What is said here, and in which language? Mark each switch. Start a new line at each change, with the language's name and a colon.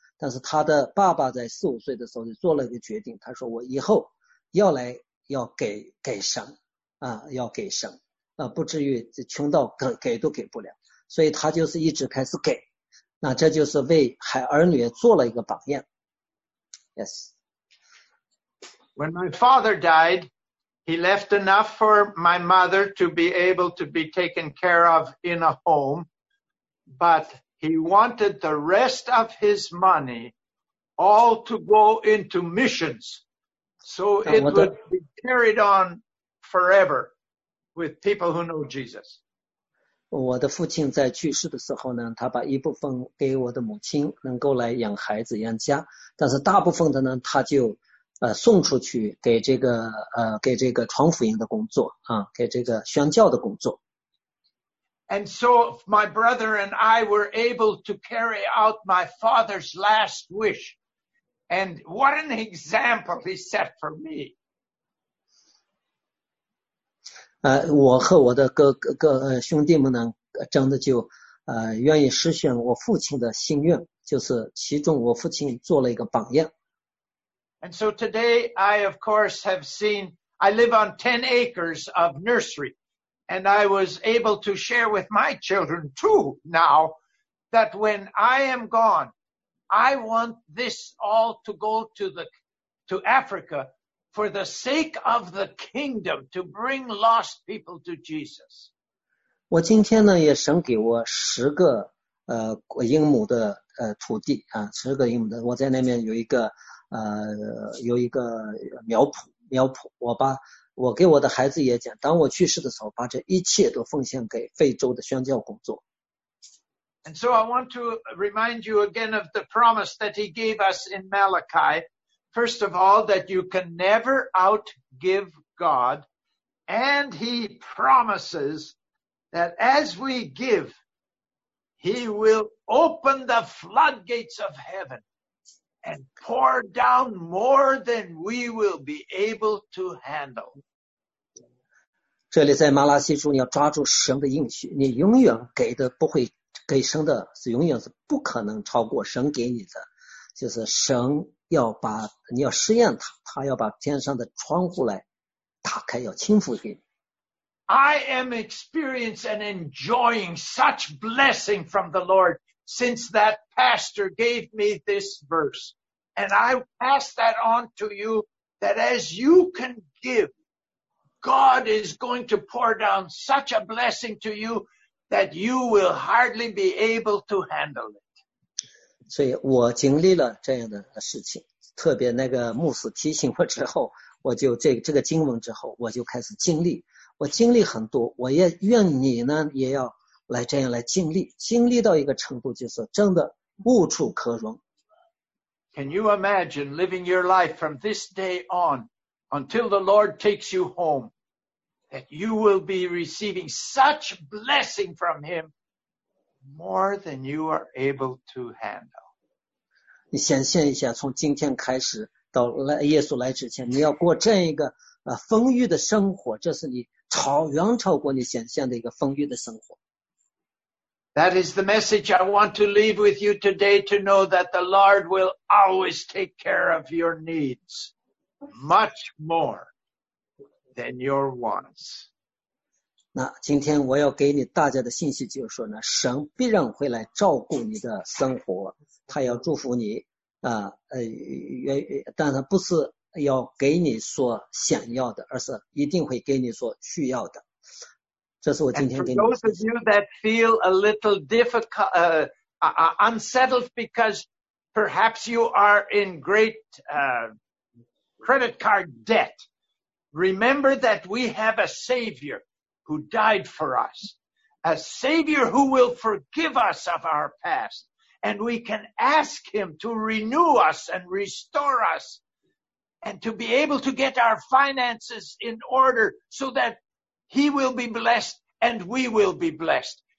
Chinese: 但是他的爸爸在四五岁的时候就做了一个决定，他说我以后要来要给神啊，要给神啊，不至于穷到给都给不了，所以他就是一直开始给，那这就是为孩儿女做了一个榜样。
English: Yes. When my father died, He left enough for my mother to be able to be taken care of in a home, but he wanted the rest of his money all to go into missions. So it would be carried on forever with people who know Jesus.
Chinese: 我的父亲在去世的时候呢，他把一部分给我的母亲，能够来养孩子养家，但是大部分的呢，他就送出去给这个给这个传福音的工作啊，给这个宣教的工作。
English: And so my brother and I were able to carry out my father's last wish. And what an example he set for me.
Chinese: 我和我的哥兄弟们呢，真的就愿意实现我父亲的心愿，就是其中我父亲做了一个榜样。
English: And so today I of course have seen, I live on 10 acres of nursery. And I was able to share with my children too now that when I am gone, I want this all to go to Africa for the sake of the kingdom to bring lost people to Jesus.
Chinese: 我今天呢也赏给我十个英亩的土地啊，十个英亩的，我在那边有一个有一个苗圃，我给我的孩子也讲，当我去世的时候，把这一切都奉献给非洲的宣教工作。
English: And so I want to remind you again of the promise that he gave us in Malachi. First of all, that you can never outgive God. And he promises that as we give, he will open the floodgates of heaven. And pour down more than we will be able to handle.
Chinese: 这里在马拉西书，你要抓住神的应许，你永远给的不会给神的，是永远是不可能超过神给你的。就是神要把你要试验他，他要把天上的窗户来打开，要倾覆给你。
English: I am experiencing and enjoying such blessing from the Lord. Since that pastor gave me this verse. And I pass that on to you that as you can give, God is going to pour down such a blessing to you that you will hardly be able to handle it.
Chinese: 所以我经历了这样的事情，特别那个牧师提醒我之后，我就这个经文之后，我就开始经历，我经历很多，我也愿你呢也要来这样来经历，经历到一个程度，就是真的无处可容。
English: Can you imagine living your life from this day on, until the Lord takes you home, that you will be receiving such blessing from Him, more than you are able to handle?
Chinese: 你想象一下，从今天开始到耶稣来之前，你要过这样一个丰裕的生活，这是你远超过你想象的一个丰裕的生活。
English: That is the message I want to leave with you today to know that the Lord will always take care of your needs much more than your wants.
Chinese: 那今天我要给你大家的信息就是说呢，神必然会来照顾你的生活，他要祝福你但他不是要给你所想要的，而是一定会给你所需要的。
English: And for those of you that feel a little difficult, unsettled because perhaps you are in great credit card debt, remember that we have a Savior who died for us, a Savior who will forgive us of our past, and we can ask Him to renew us and restore us and to be able to get our finances in order so that He will be blessed, and we will be blessed.